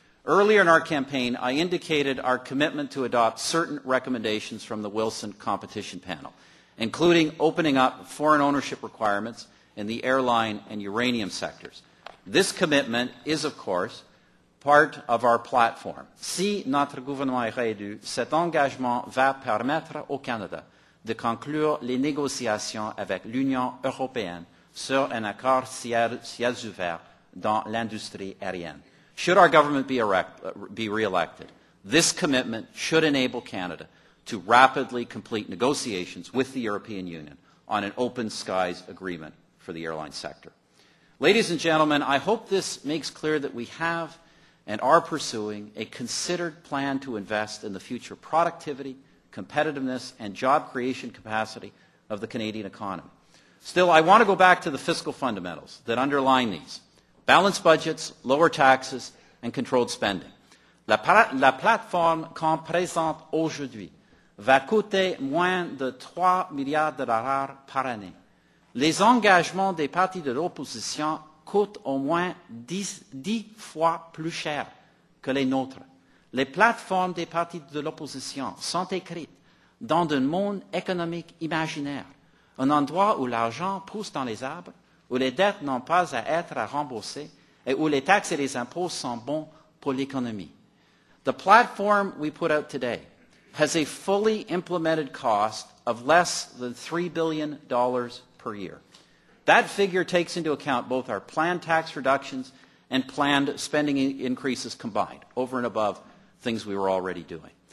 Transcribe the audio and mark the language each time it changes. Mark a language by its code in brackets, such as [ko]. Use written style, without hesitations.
[en] Earlier in our campaign, I indicated our commitment to adopt certain recommendations from the Wilson Competition Panel, including opening up foreign ownership requirements in the airline and uranium sectors. This commitment is, of course, part of our platform. [fr] Si notre gouvernement est réélu, cet engagement va permettre au Canada de conclure les négociations avec l'Union européenne sur un accord ciel ouvert dans l'industrie aérienne. [en] Should our government be re-elected, this commitment should enable Canada to rapidly complete negotiations with the European Union on an open skies agreement for the airline sector. Ladies and gentlemen, I hope this makes clear that we have and are pursuing a considered plan to invest in the future productivity, competitiveness, and job creation capacity of the Canadian economy. Still, I want to go back to the fiscal fundamentals that underline these. Balanced budgets, lower taxes, and controlled spending. [fr] La plateforme qu'on présente aujourd'hui va coûter moins de 3 milliards de dollars par année. Les engagements des partis de l'opposition coûtent au moins 10 fois plus cher que les nôtres. Les plateformes des partis de l'opposition sont écrites dans un monde économique imaginaire, un endroit où l'argent pousse dans les arbres, où les dettes n'ont pas à être remboursées et où les taxes et les impôts sont bons pour l'économie. [en] The platform we put out today has a fully implemented cost of less than $3 billion per year. That figure takes into account both our planned tax reductions and planned spending increases combined, over and above things we were already doing.